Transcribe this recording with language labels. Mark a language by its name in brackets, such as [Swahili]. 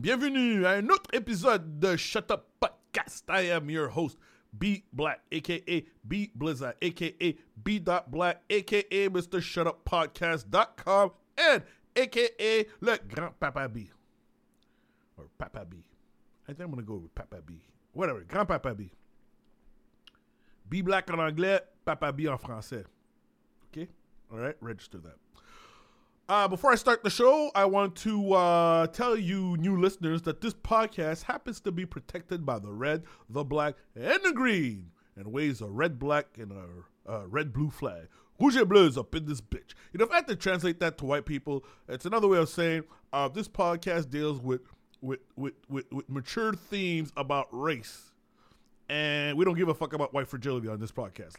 [French] Bienvenue à un autre épisode de Shut Up Podcast. [English] I am your host, B Black, a.k.a. B Blizzard, a.k.a. B Dot Black, a.k.a. Mr. Shut Up Podcast.com, and a.k.a. Le Grand Papa B. Or Papa B. I think I'm going to go with Papa B. Whatever. Grand Papa B. [French] B Black en anglais, Papa B en français. [English] Okay. All right. Register that. Before I start the show, I want to tell you new listeners that this podcast happens to be protected by the red, the black, and the green, and waves a red, black, and a red, blue flag. [French] Rouge et bleu [English] is up in this bitch. You know, if I had to translate that to white people, it's another way of saying this podcast deals with mature themes about race, and we don't give a fuck about white fragility on this podcast.